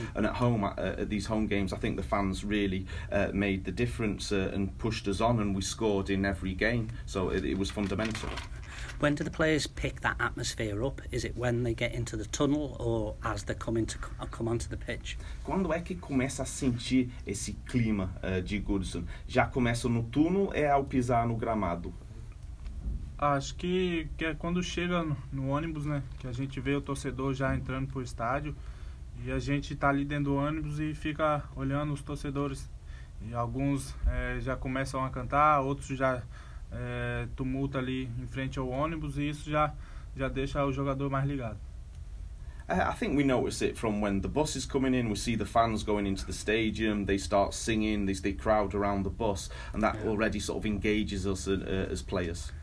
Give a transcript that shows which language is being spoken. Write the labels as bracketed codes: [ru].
[en] And at home, at these home games, I think the fans really made the difference and pushed us on, and we scored in every game. So it was fundamental. When do the players pick that atmosphere up? Is it when they get into the tunnel or as they come onto the pitch? [pt] Quando é que começa a sentir esse clima de Goodison? Já começa no túnel ou é ao pisar no gramado? Acho que é quando chega no ônibus, né? Que a gente vê o torcedor já entrando pro estádio e a gente tá ali dentro do ônibus e fica olhando os torcedores. E alguns já começam a cantar, outros já tumulto ali em frente ao ônibus, e isso já deixa o jogador mais ligado. [en] I think we notice it from when the bus is coming in. We see the fans going into the stadium, they start singing, they crowd around the bus, and that already sort of engages us as players.